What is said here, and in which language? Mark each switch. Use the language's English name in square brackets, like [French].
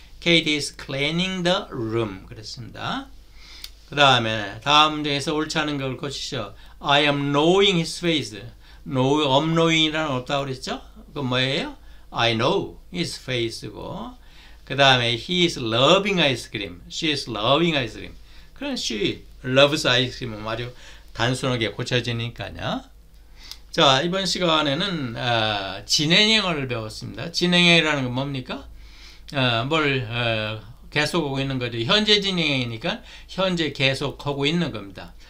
[English] Kate is cleaning the room. [Korean] 그랬습니다. 그 다음에 다음 문장에서 옳지 않은 걸 고치셔. [English] I am knowing his face. [Korean] No, I'm knowing이라는 없다고 그랬죠? 그건 뭐예요? [English] I know his face [Korean] 고. [English] 그 다음에 he is loving ice cream, she is loving ice cream. [Korean] 그럼 [English] she loves ice cream [Korean] 은 아주 단순하게 고쳐지니까요. 자, 이번 시간에는 진행형을 배웠습니다. 진행형이라는 건 뭡니까? 뭘 계속하고 있는 거죠. 현재 진행형이니까 현재 계속하고 있는 겁니다.